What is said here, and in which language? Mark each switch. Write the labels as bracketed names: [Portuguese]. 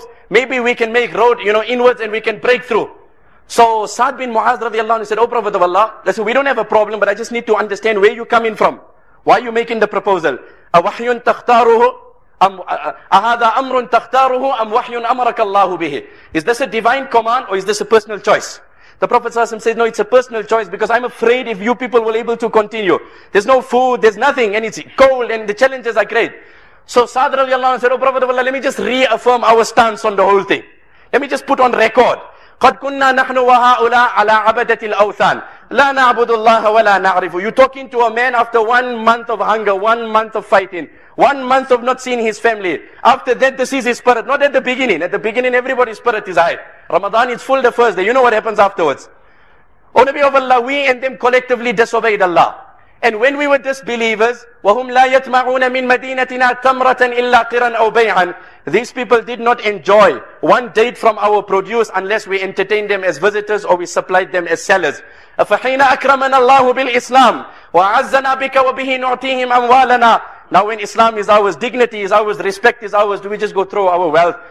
[English] Maybe we can make road, you know, inwards and we can break through." So Sa'd bin Mu'adh radiallahu anhu said, "Oh Prophet of Allah, listen, we don't have a problem, but I just need to understand where you're coming from. Why are you making the proposal? [Arabic] أَوَحْيٌ تَخْتَارُهُ أَمْ أَهَذَا أَمْرٌ تَخْتَارُهُ أَمْ وَحْيٌ أَمَرَكَ اللَّهُ بِهِ." [English] Is this a divine command or is this a personal choice? The Prophet ﷺ says, "No, it's a personal choice because I'm afraid if you people will able to continue. There's no food, there's nothing, and it's cold and the challenges are great." So Sa'd radiallahu anhu said, "Oh Prophet of Allah, let me just reaffirm our stance on the whole thing. Let me just put on record. [Arabic] قَدْ كُنَّا نَحْنُ وَهَٰؤُلَىٰ عَلَىٰ عَبَدَةِ الْأَوْثَانِ لَا نَعْبُدُ اللَّهَ وَلَا نَعْرِفُ." [English] You're talking to a man after 1 month of hunger, 1 month of fighting, 1 month of not seeing his family. After that, this is his spirit. Not at the beginning. At the beginning, everybody's spirit is high. Ramadan is full the first day. You know what happens afterwards. O Nabi of Allah, we and them collectively disobeyed Allah. And when we were disbelievers, [Arabic] وَهُمْ لَا يَتْمَعُونَ مِن مَدِينَتِنَا تَمْرَةً إِلَّا قِرًا أَوْ بَيْعًا. [English] These people did not enjoy one date from our produce unless we entertained them as visitors or we supplied them as sellers. [Arabic] فَحِينَ أَكْرَمَنَا اللَّهُ بِالْإِسْلَامِ وَعَزَّنَا بِكَ وَبِهِ نُعْتِيهِمْ أَمْوَالَنَا. [English] Now when Islam is ours, dignity is ours, respect is ours, do we just go throw our wealth?